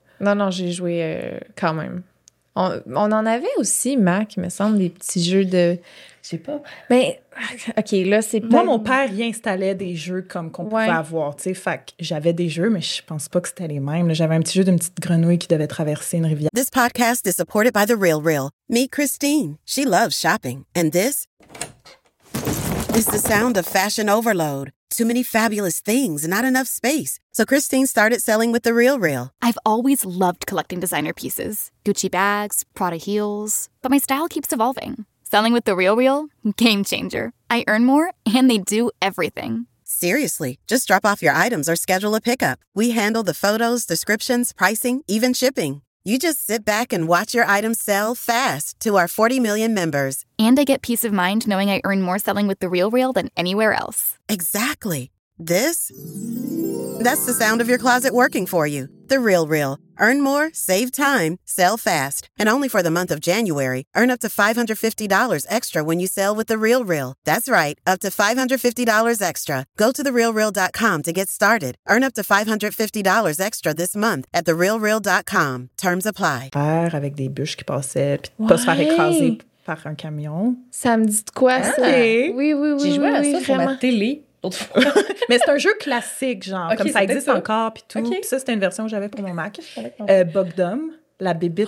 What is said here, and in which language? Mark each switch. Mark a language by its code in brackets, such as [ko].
[fr] Non, j'ai joué quand même. On en avait aussi, Mac, il me semble, des petits jeux de... Je sais pas. Mais, OK, là, c'est pas... Moi, mon père, il installait des jeux comme qu'on pouvait avoir, tu sais. Fait que j'avais des jeux, mais je pense pas que c'était les mêmes. J'avais un petit jeu d'une petite grenouille qui devait traverser une rivière. [en] This podcast is supported by The Real Real. Meet Christine. She loves shopping. And this is the sound of fashion overload. Too many fabulous things, not enough space. So Christine started selling with The Real Real. I've always loved collecting designer pieces. Gucci bags, Prada heels. But my style keeps evolving. Selling with The Real Real? Game changer. I earn more, and they do everything. Seriously, just drop off your items or schedule a pickup. We handle the photos, descriptions, pricing, even shipping. You just sit back and watch your items sell fast to our 40 million members. And I get peace of mind knowing I earn more selling with The Real Real than anywhere else. Exactly. This? That's the sound of your closet working for you. The Real Real. Earn more, save time, sell fast. And only for the month of January, earn up to $550 extra when you sell with The Real Real. That's right, up to $550 extra. Go to TheRealReal.com to get started. Earn up to $550 extra this month at TheRealReal.com. Terms apply. [fr] Avec des bûches qui passaient, puis pas se faire écraser par un camion. Ça me dit de quoi, ça? Oui. J'ai joué à ça vraiment. Pour ma télé. Mais c'est un jeu classique, genre, okay, comme ça existe ça. Encore, puis tout. Okay. Puis ça, c'était une version que j'avais pour mon Mac. Bogdum, la bébite.